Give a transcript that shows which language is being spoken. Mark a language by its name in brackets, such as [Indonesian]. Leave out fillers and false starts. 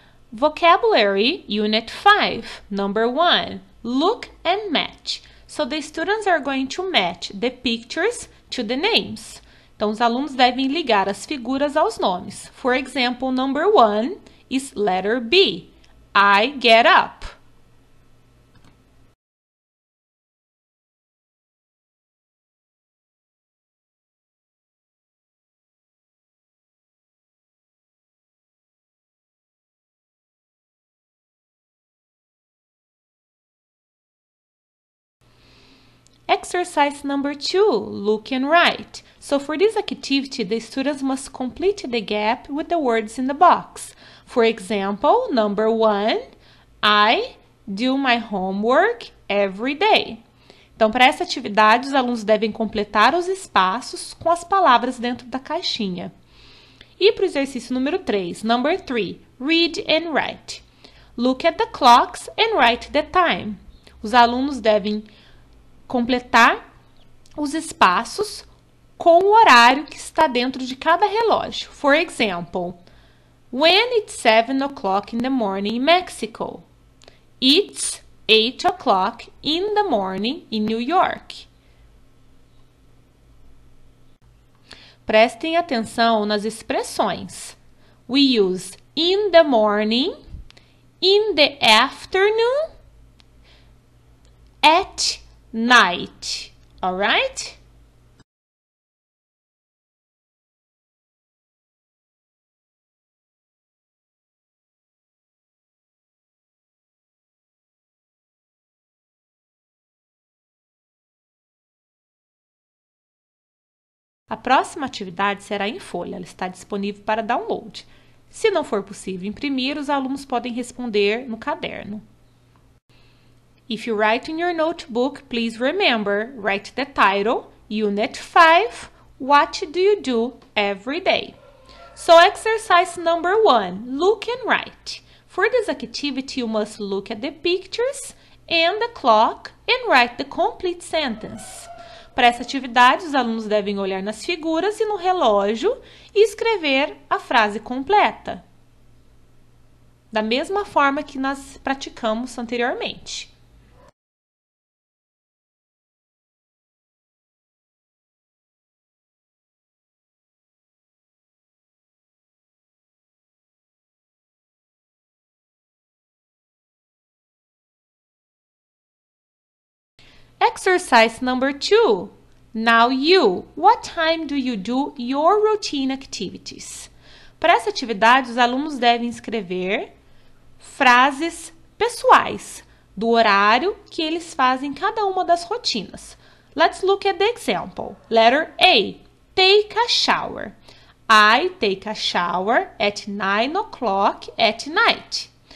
[English] Vocabulary, unit 5, number 1, look and match. So the students are going to match the pictures to the names. [Portuguese] Então, os alunos devem ligar as figuras aos nomes. [English] For example, number 1 is letter B. I get up. Exercise number 2, look and write. So for this activity, the students must complete the gap with the words in the box. For example, number 1, I do my homework every day. [Portuguese] Então, para essa atividade, os alunos devem completar os espaços com as palavras dentro da caixinha. E para o exercício número 3, [English] number 3, read and write. Look at the clocks and write the time. [Portuguese] Os alunos devem completar os espaços com o horário que está dentro de cada relógio. [English] For example, when it's 7 o'clock in the morning in Mexico? It's 8 o'clock in the morning in New York. [Portuguese] Prestem atenção nas expressões. [English] We use in the morning, in the afternoon, at night, all right? [Portuguese] A próxima atividade será em folha, ela está disponível para download. Se não for possível imprimir, os alunos podem responder no caderno. [English] If you write in your notebook, please remember, write the title, Unit 5, What do you do every day? So, exercise number 1, look and write. For this activity, you must look at the pictures and the clock and write the complete sentence. [Portuguese] Para essa atividade, os alunos devem olhar nas figuras e no relógio e escrever a frase completa, da mesma forma que nós praticamos anteriormente. [English] Exercise number two. Now you, what time do you do your routine activities? [Portuguese] Para essa atividade, os alunos devem escrever frases pessoais do horário que eles fazem cada uma das rotinas. [English] Let's look at the example. Letter A, take a shower. I take a shower at 9 o'clock at night.